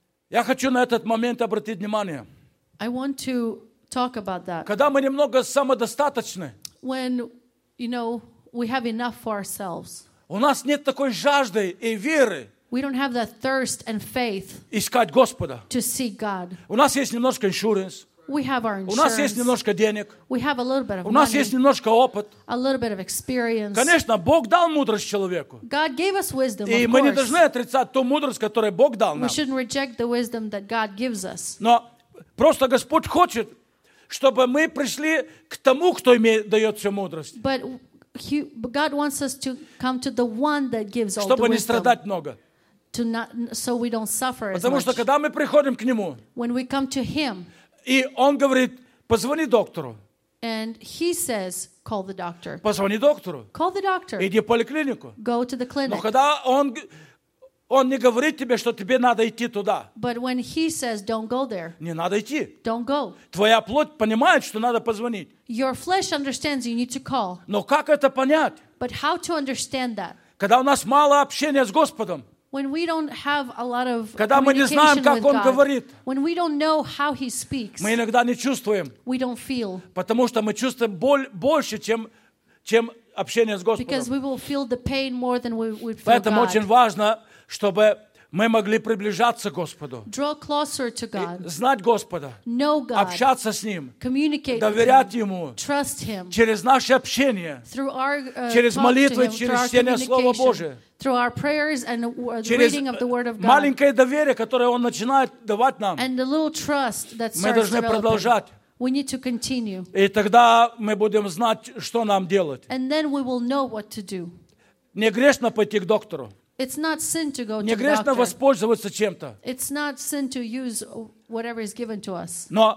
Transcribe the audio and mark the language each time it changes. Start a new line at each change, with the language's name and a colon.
Russian: Я хочу на этот момент обратить внимание.
English: I want to talk about that.
Russian: Когда мы немного самодостаточны.
English: When, you know, we have enough for ourselves.
Russian: У нас нет такой жажды и веры.
English: We don't have that thirst and faith
Russian: искать Господа.
English: To see God.
Russian: У нас есть немножко insurance.
English: We have our insurance.
Russian: У нас есть немножко денег.
English: We have a little bit of
Russian: у
English: money.
Russian: У нас есть немножко опыт.
English: A little bit of experience.
Russian: Конечно, Бог дал мудрость человеку.
English: God gave us wisdom,
Russian: и
English: of
Russian: мы
English: course.
Russian: Не должны отрицать ту мудрость, которую Бог дал нам.
English: We shouldn't reject the wisdom that God gives us.
Russian: Но просто Господь хочет, чтобы мы пришли к тому, кто дает всю мудрость.
English: But God wants us to come to the one that gives all
Russian: чтобы Чтобы не страдать много.
English: To not, so we don't suffer
Russian: потому
English: as much.
Russian: Что, когда мы приходим к Нему,
English: when we come to Him,
Russian: И он говорит: "Позвони доктору".
English: And he says, "Call the doctor".
Russian: Позвони доктору.
English: Call the doctor.
Russian: Иди в поликлинику.
English: Go to the clinic.
Russian: Но когда он не говорит тебе, что тебе надо идти туда.
English: But when he says, "Don't go there".
Russian: Не надо идти.
English: Don't go.
Russian: Твоя плоть понимает, что надо позвонить.
English: Your flesh understands you need to call.
Russian: Но как это понять?
English: But how to understand that?
Russian: Когда у нас мало общения с Господом.
English: When we don't have a lot of communication with God, when we don't know how He speaks,
Russian: мы иногда не чувствуем,
English: we don't feel.
Russian: Потому что мы чувствуем больше, чем общение с Господом.
English: Because we will feel the pain more than we would feel
Russian: Поэтому
English: God.
Russian: Очень важно, чтобы мы могли приближаться к Господу.
English: Draw closer to God.
Russian: Знать Господа.
English: Know God.
Russian: Общаться с Ним.
English: Communicate
Russian: доверять
English: with Him,
Russian: Ему.
English: Trust Him.
Russian: Через наше общение.
English: Through our,
Russian: через молитвы,
English: to him,
Russian: через чтение Слова Божия.
English: Through our prayers and the reading of the Word of God.
Russian: Маленькое доверие, которое Он начинает давать нам.
English: And the little trust that starts
Russian: мы должны
English: developing.
Russian: Продолжать.
English: We need to continue.
Russian: И тогда мы будем знать, что нам делать.
English: And then we will know what to do.
Russian: Не грешно пойти к доктору.
English: It's not sin to go to
Russian: не грешно
English: the doctor.
Russian: Воспользоваться чем-то.
English: It's not sin to use whatever is given to us.